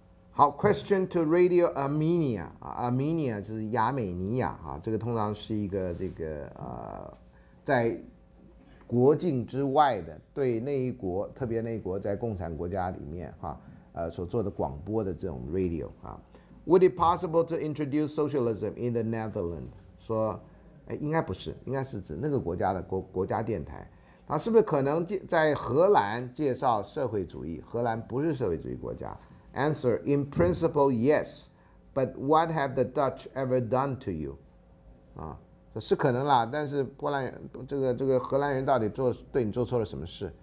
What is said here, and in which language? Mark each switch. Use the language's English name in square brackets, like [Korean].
[Chinese] 好 ， [English] Question to Radio Armenia [Chinese] 啊 ，Armenia 就是亚美尼亚啊，这个通常是一个这个在国境之外的，对那一国，特别那一国在共产国家里面哈，所做的广播的这种 Radio 啊 ， [English] Would it possible to introduce socialism in the Netherlands？ [Chinese] 说，哎，应该不是，应该是指那个国家的国家电台，它是不是可能在荷兰介绍社会主义？荷兰不是社会主义国家。 [English] Answer: In principle, yes, but what have the Dutch ever done to you? [Chinese] 啊，是可能啦，但是波兰人这个荷兰人到底做对你做错了什么事？